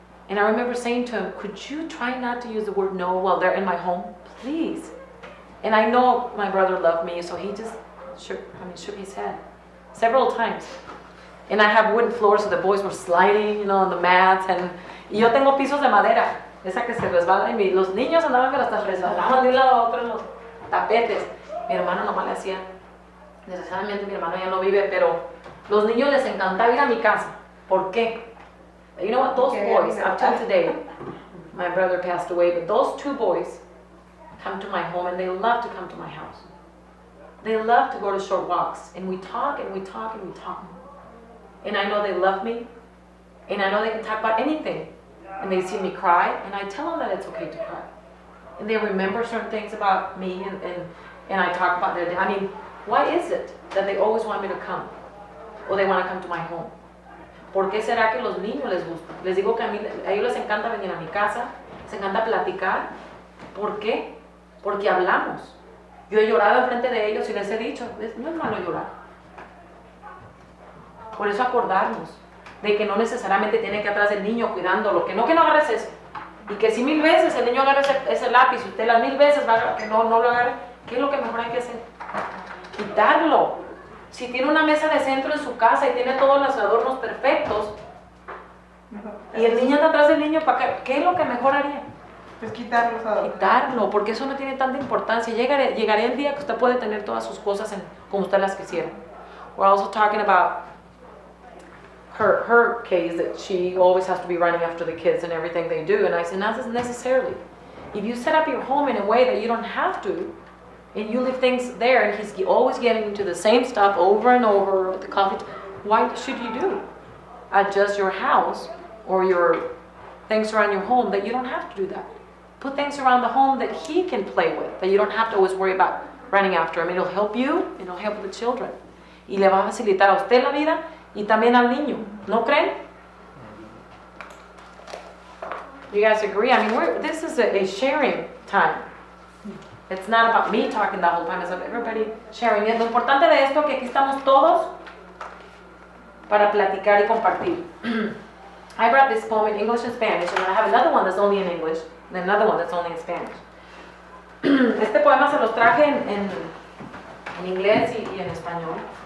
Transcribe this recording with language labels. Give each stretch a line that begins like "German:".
English: And I remember saying to him, could you try not to use the word no while they're in my home, please? And I know my brother loved me, so he just shook his head several times. And I have wooden floors, so the boys were sliding, you know, on the mats. And
Spanish: yo tengo pisos de madera, esa que se resbala. Y los niños andaban que las resbalaban de un lado a otro en los tapetes. Mi hermano nomás le hacía. Necesariamente mi hermano ya no vive, pero los niños les encantaba ir a mi casa. ¿Por qué?
English: You know what? Those boys, up till today, my brother passed away, but those 2 boys come to my home, and they love to come to my house. They love to go to short walks, and we talk, and we talk, and we talk. And I know they love me, and I know they can talk about anything. And they see me cry, and I tell them that it's okay to cry. And they remember certain things about me, and I talk about their day. I mean, why is it that they always want me to come? Or they want to come to my home?
Spanish: ¿Por qué será que los niños les gusta? Les digo que a ellos les encanta venir a mi casa, les encanta platicar. ¿Por qué? Porque hablamos. Yo he llorado enfrente de ellos y les he dicho, no es malo llorar. Por eso acordarnos de que no necesariamente tiene que atrás del niño cuidándolo, que no agarres eso. Y que si mil veces el niño agarra ese lápiz, usted las mil veces va a agarrar, que no, no lo agarre, ¿qué es lo que mejor hay que hacer? Quitarlo. Si tiene una mesa de centro en su casa y tiene todos los adornos perfectos, y el niño anda atrás del niño, ¿para qué es lo que mejor haría? Pues quitar los adornos. Quitarlo, porque eso no tiene tanta importancia. Llegaré el día que usted puede tener todas sus cosas como usted las quisiera.
English: We're also talking about her case, that she always has to be running after the kids and everything they do. And I said, not necessarily. If you set up your home in a way that you don't have to, and you leave things there, and he's always getting into the same stuff over and over with the coffee, why should you do? Adjust your house or your things around your home that you don't have to do that. Put things around the home that he can play with, that you don't have to always worry about running after him. It'll help you, it'll help the children.
Spanish: Y le va a facilitar a usted la vida y también al niño. ¿No creen?
English: You guys agree? I mean, this is a sharing time. It's not about me talking the whole time, it's about everybody sharing.
Spanish: Y es lo importante de esto, que aquí estamos todos para platicar y compartir.
English: I brought this poem in English and Spanish, and I have another one that's only in English, and another one that's only in Spanish.
Spanish: Este poema se los traje en inglés y en español.